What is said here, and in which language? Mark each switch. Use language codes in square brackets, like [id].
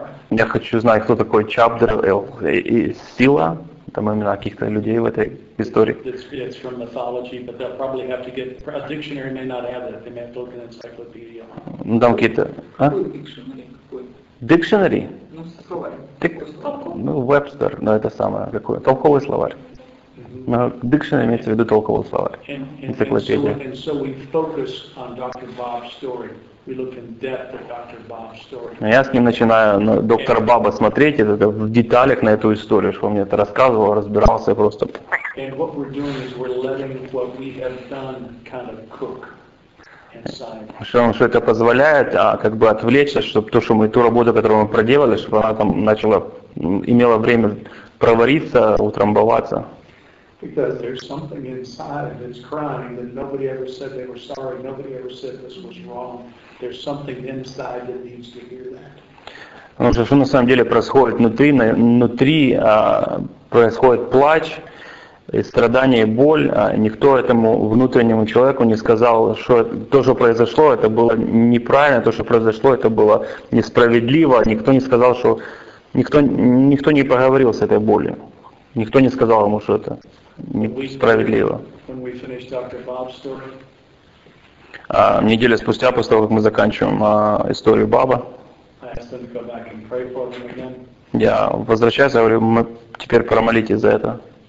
[ru] Я хочу знать, кто такой Чабдер и Сила. Там имена каких-то людей в этой истории. [en] It's from mythology, but they'll probably have to get a dictionary may not have it. They may have to look in an encyclopedia. [ru] Ну там какие-то. А? Dictionary? Словарь. Ну, Webster, но это самое какое. Толковый словарь. Но dictionary имеется в виду толковый словарь. Энциклопедия. [en] And so we focus on Dr. Bob's story. We look in depth at Dr. Bob's story. [ru] Я с ним начинаю на доктора Баба смотреть, это в деталях на эту историю, что он мне это рассказывал, разбирался просто. [en] And what we're doing is we're letting what we have done kind of cook inside. [ru] Что это позволяет, как бы отвлечься, чтобы то, что мы ту работу, которую мы проделали, чтобы она там начала имела время провариться, утрамбоваться. [en] Because there's something inside that's crying that nobody ever said they were sorry, nobody ever said this was wrong. There's something inside that needs to hear that. [ru] Ну что на самом деле происходит внутри, происходит плач, и страдание, и боль. Никто этому внутреннему человеку не сказал, что то, что произошло, это было неправильно, то, что произошло, это было несправедливо. Никто не сказал, что никто не поговорил с этой болью. Никто не сказал ему, что это несправедливо. Неделю спустя, после того, как мы заканчиваем историю Баба, [en] them to go back and pray for them again. [ru] Я возвращаюсь, говорю, мы теперь промолитесь за это.